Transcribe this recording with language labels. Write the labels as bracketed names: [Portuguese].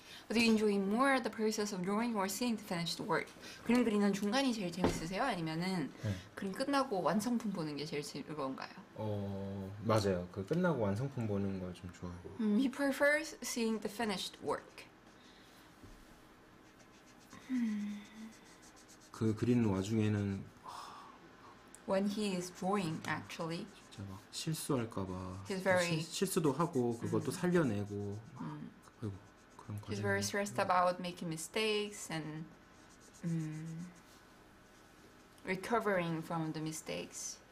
[English] Do you enjoy more the process of drawing or seeing the finished work? [Korean] 그림 그리는 중간이 제일 재밌으세요? 아니면은 네. 그림 끝나고 완성품 보는 게 제일 즐거운가요? 어 맞아요. 그 끝나고 완성품 보는 걸 좀 좋아하고. [English] He prefers seeing the finished work. [Korean] 그 그리는 와중에는 [English] when he is drawing, actually. [Korean] 진짜 막 실수할까 봐. [English] He's very [Korean] 실수도 하고 그것도 살려내고. [English] He's very stressed about making mistakes and recovering from the mistakes.